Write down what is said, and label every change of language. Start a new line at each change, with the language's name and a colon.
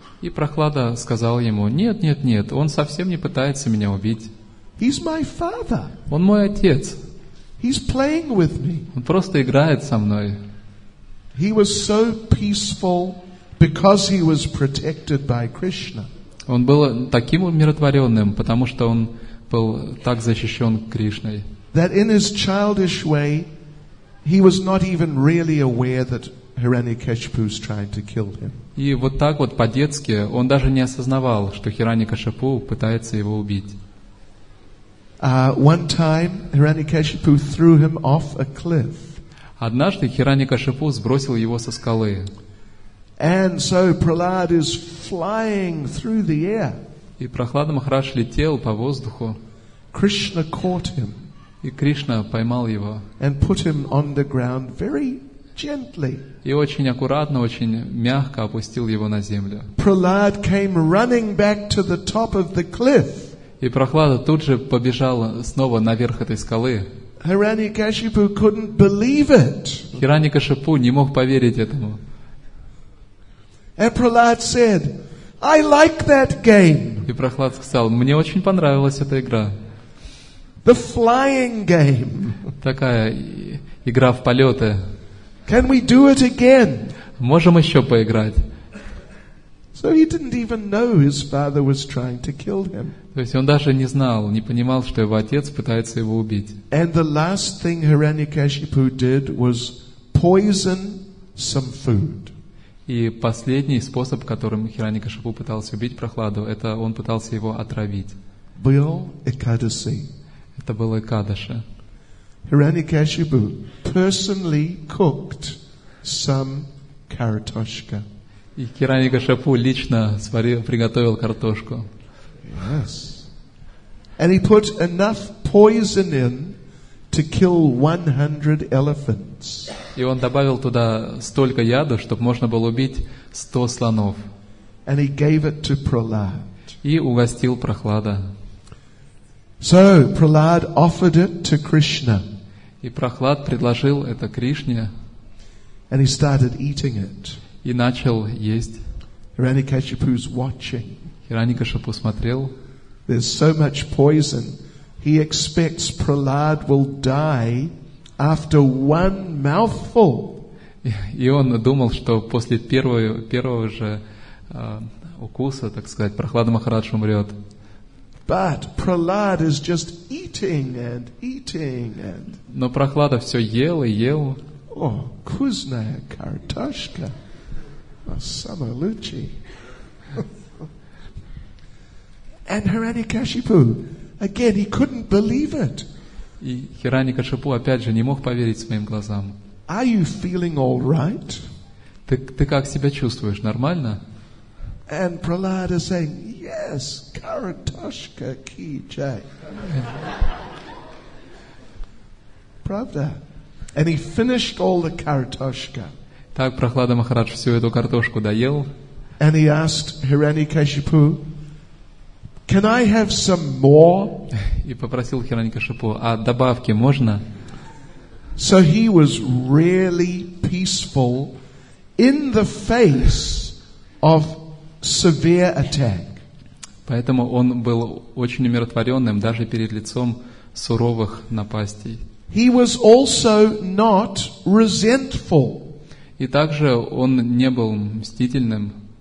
Russian: И Прохлада сказал ему: нет, он совсем не пытается меня убить.
English: He's my father.
Russian: Он мой отец.
English: He's playing with me.
Russian: Он просто играет со мной.
English: He was so peaceful because he was protected by Krishna.
Russian: Он был таким умиротворенным, потому что он был так защищен Кришной.
English: That in his childish way, he was not even really aware that Hiranyakashipu is trying to kill him.
Russian: И вот так вот по-детски он даже не осознавал, что Хираньякашипу пытается его убить.
English: One time, Hiranyakashipu threw him off a cliff.
Russian: Однажды Хираньякашипу сбросил его со скалы.
English: And so Prahlad is flying through the air.
Russian: И Прохлада Махарадж летел по воздуху.
English: Krishna caught him.
Russian: И Кришна поймал его.
English: And put him on the ground very gently.
Russian: И очень аккуратно, очень мягко опустил его на землю.
English: Prahlad came running back to the top of the cliff.
Russian: И Прохлада тут же побежал снова наверх этой скалы.
English: Hiranyakashipu couldn't believe it.
Russian: Хираньякашипу не мог поверить этому.
English: And Prahlad said, "I like that game."
Russian: И Прохлад сказал: мне очень понравилась эта игра.
English: The flying game.
Russian: Такая игра в полеты.
English: Can we do it again?
Russian: Можем еще поиграть.
English: So he didn't even know his father was trying to kill him.
Russian: То есть он даже не знал, не понимал, что его отец пытается его убить.
English: And the last thing Hiranyakashipu did was poison some food.
Russian: И последний способ, которым Хираньякашипу пытался убить Прохладу, это он пытался его отравить. Был Экадаси. Это было Экадаши.
English: Hiranyakashipu personally cooked some картошка.
Russian: И Хираньякашипу лично сварил, приготовил картошку.
English: Yes. And he put enough poison in to kill 100 elephants.
Russian: И он добавил туда столько яда, чтобы можно было убить 100 слонов.
English: And he gave it to Prahlad.
Russian: И угостил Прохлада.
English: So Prahlad offered it to Krishna.
Russian: И Прохлад предложил это Кришне.
English: And he started eating it.
Russian: И начал есть.
English: Hiranyakashipu's watching.
Russian: Hiranyakashipu смотрел.
English: There's so much poison. He expects Prahlad will die after one mouthful.
Russian: И он думал, что после первого же укуса, так сказать, Прохлад Махарадж умрет.
English: But Prahlad is just eating and eating and.
Russian: Но Прохлада все ел и ел. О, вкусная картошка. Самое лучшее.
English: And Hiranyakashipu, again, he couldn't believe it.
Russian: И Хираньякашипу опять же не мог поверить своим глазам.
English: Are you feeling all right?
Russian: Ты как себя чувствуешь? Нормально?
English: And Prahlad is saying, yes,
Russian: картошка ки чай. Правда?
English: And he finished all the картошка.
Russian: Так Прохлада Махарадж всю эту картошку доел.
English: And he asked Hiranyakashipu, "Can I have some more?"
Russian: И попросил Хиранькашипу: "А добавки можно?"
English: So he was really peaceful in the face of severe attack.
Russian: Поэтому он был очень умиротворенным даже перед лицом суровых напастей.
English: He was also not resentful.
Russian: И также он не был мстительным.